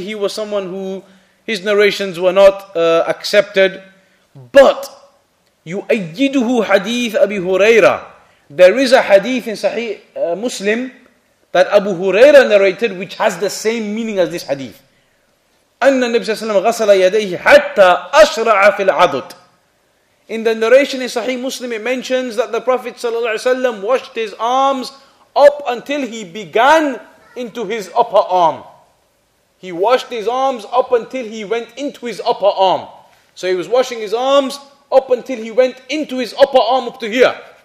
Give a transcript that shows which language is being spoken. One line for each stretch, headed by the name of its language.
English: he was someone who, his narrations were not accepted. But,
Arabic: yu'ayyiduhu hadith Abi Huraira.
English: There is a hadith in Sahih Muslim that Abu Huraira narrated, which has the same meaning as this hadith.
Arabic: أن النبي صلى الله عليه وسلم غسل يديه حتى أشرع في العضد.
English: In the narration in Sahih Muslim, it mentions that the Prophet
Arabic: صلى الله عليه وسلم
English: washed his arms up until he began into his upper arm. He washed his arms up until he went into his upper arm. So he was washing his arms up until he went into his upper arm up to here.